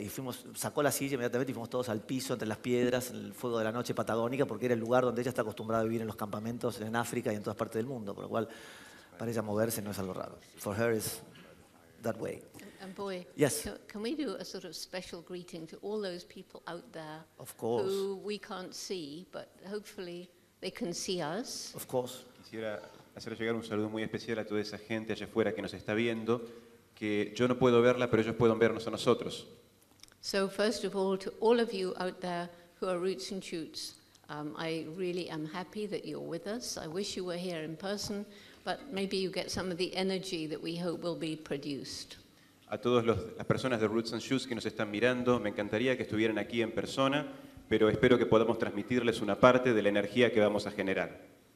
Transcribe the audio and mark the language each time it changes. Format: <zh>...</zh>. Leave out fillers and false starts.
<es>Y fuimos, sacó la silla inmediatamente y fuimos todos al piso entre las piedras, en el fuego de la noche patagónica, porque era el lugar donde ella está acostumbrada a vivir en los campamentos en África y en todas partes del mundo, por lo cual para ella moverse no es algo raro.</es> <en>For her it's that way. And boy, yes. Can we do a sort of special greeting to all those people out there? Of course. Who we can't see, but hopefully they can see us. Of course.</en> <es>Quisiera hacer llegar un saludo muy especial a toda esa gente allá afuera que nos está viendo, que yo no puedo verla, pero ellos pueden vernos a nosotros.</es> <en>So first of all, to all of you out there who are Roots and Shoots, I really am happy that you're with us. I wish you were here in person, but maybe you get some of the energy that we hope will be produced.</en> <es>A todas las personas de Roots and Shoots que nos están mirando, me encantaría que estuvieran aquí en persona, pero espero que podamos transmitirles una parte de la energía que vamos a generar.</es>